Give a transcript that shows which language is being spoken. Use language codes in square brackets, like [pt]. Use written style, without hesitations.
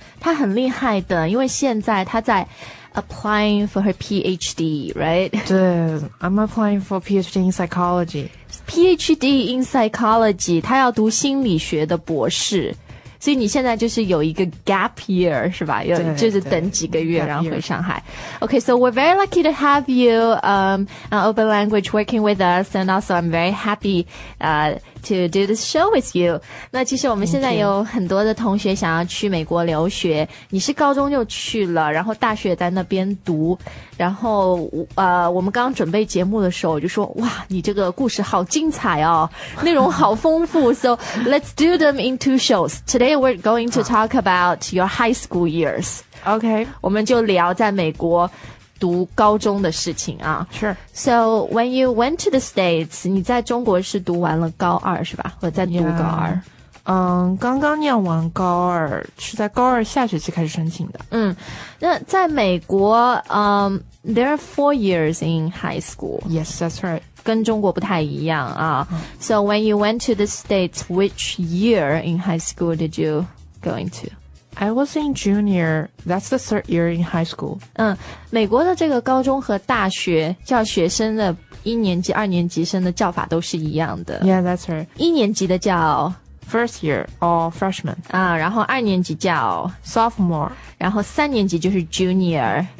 [zh] 他很厉害的，因为现在他在 [en] Applying for her PhD, right? 对 ,I'm applying for PhD in psychology. PhD in psychology, [zh] 她要读心理学的博士。所以你现在就是有一个 gap year, 是吧？有，就是等几个月然后回上海。 [en] Okay, so we're very lucky to have you, on Open Language working with us, and also I'm very happy, to do this show with you. [zh] 那其实我们现在有很多的同学想要去美国留学，你是高中就去了，然后大学在那边读，然后我们刚准备节目的时候我就说，哇，你这个故事好精彩哦，内容好丰富。 [en] So let's do them in two shows. Today we're going to talk about your high school years. Okay. [zh] 我们就聊在美国读高中的事情啊。 [en] Sure. So when you went to the States, [zh] 你在中国是读完了高二是吧？我在读高二。嗯、刚刚念完高二，是在高二下学期开始申请的。嗯，那在美国， [en] there are 4 years in high school. Yes, that's right. [zh] 跟中国不太一样啊。 [en] So when you went to the States, which year in high school did you go into? I was in junior. That's the third year in high school. [zh] 嗯，美国的这个高中和大学叫学生的一年级、二年级生的叫法都是一样的。 [en] Yeah, that's right. [zh] 一年级的叫 [en] first year or freshman. [zh] 啊，然后二年级叫 [en] sophomore. [zh] 然后三年级就是 junior.